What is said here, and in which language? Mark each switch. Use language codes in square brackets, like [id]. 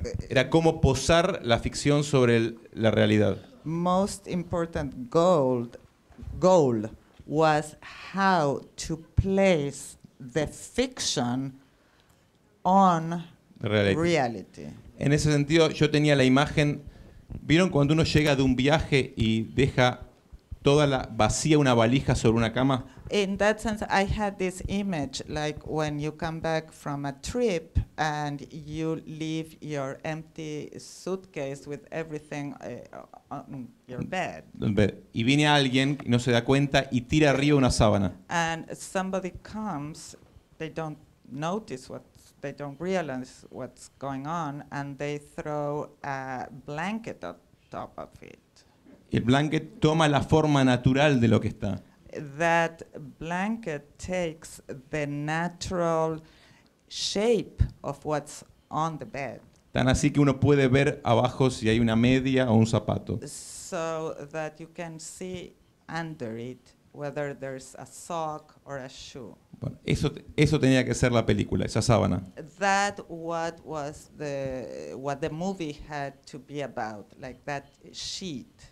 [es] Era cómo posar la ficción sobre la realidad. [en] Most important goal was how to place the fiction on reality. [es] En ese sentido, yo tenía la imagen. ¿Vieron cuando uno llega de un viaje y deja toda la vacía una valija sobre una cama? [en] In that sense, I had this image, like when you come back from a trip and you leave your empty suitcase with everything on your bed. [es] Y viene alguien y no se da cuenta y tira arriba una sábana. [en] And somebody comes, they don't notice what, they don't realize what's going on, and they throw a blanket top of it. [es] El blanket toma la forma natural de lo que está. [en] That blanket takes the natural shape of what's on the bed. [es] Tan así que uno puede ver abajo si hay una media o un zapato. [en] So that you can see under it whether there's a sock or a shoe. [es] Bueno, eso tenía que ser la película, esa sábana. [en] That what the movie had to be about, like that sheet.